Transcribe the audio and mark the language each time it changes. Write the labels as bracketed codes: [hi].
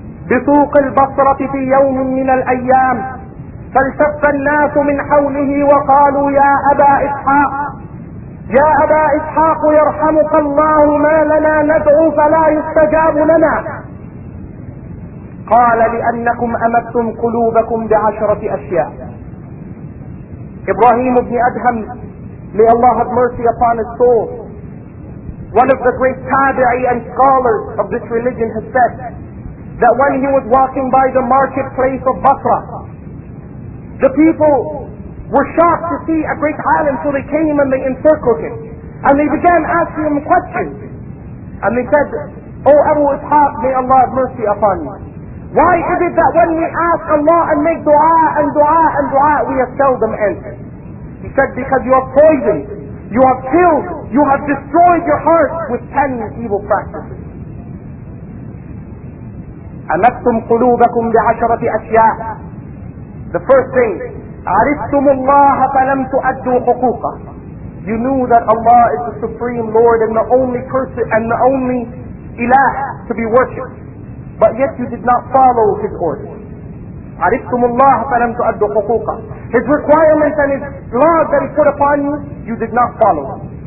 [ar] بسوق البصرة في يوم من الأيام فالتف الناس من حوله وقالوا يا أبا إسحاق يا أبا إسحاق يرحمك الله ما لنا ندعو فلا يستجاب لنا قال لأنكم أمدتم قلوبكم بعشرة أشياء. [en] Ibrahim ibn Adham, may Allah have mercy upon his soul, one of the great tabi'i and scholars of this religion, has said that when he was walking by the marketplace of Basra, the people were shocked to see a great alim, so they came and they encircled him and they began asking him questions and they said, O Abu Ishaq, may Allah have mercy upon you, why is it that when we ask Allah and make dua and dua and dua, we have seldom answered? He said, because you have poisoned, you have killed, you have destroyed your heart with 10 evil practices. [ar] أَمَتْتُمْ قُلُوبَكُمْ بِعَشَرَةِ أَشْيَاءِ. [en] The first thing, [ar] عَرِفْتُمُ اللَّهَ فَلَمْ تُؤَدُّوا حُقُوقَ. [en] You knew that Allah is the Supreme Lord and the only person and the only ilah to be worshipped, but yet you did not follow his orders. [ar] عَرِفْتُمُ اللَّهَ فَلَمْ تُؤَدُّوا حُقُوقَ. [en] His requirements and his laws that he put upon you, you did not follow them.